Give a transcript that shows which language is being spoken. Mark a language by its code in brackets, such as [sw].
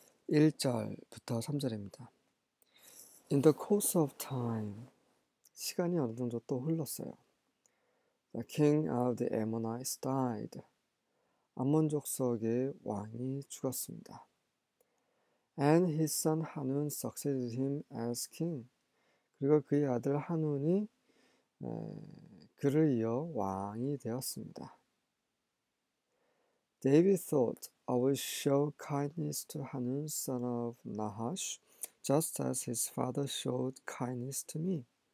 [ko] 1절부터 3절입니다. [en] In the course of time, [ko] 시간이 어느 정도 또 흘렀어요. [en] The king of the Ammonites died. [ko] 암몬 족속의 왕이 죽었습니다. [en] And his son Hanun succeeded him as king. [ko] 그리고 그의 아들 한눈이 그를 이어 왕이 되었습니다. [en] David thought, I will show kindness to Hanun, son of Nahash, just as his father showed kindness to me.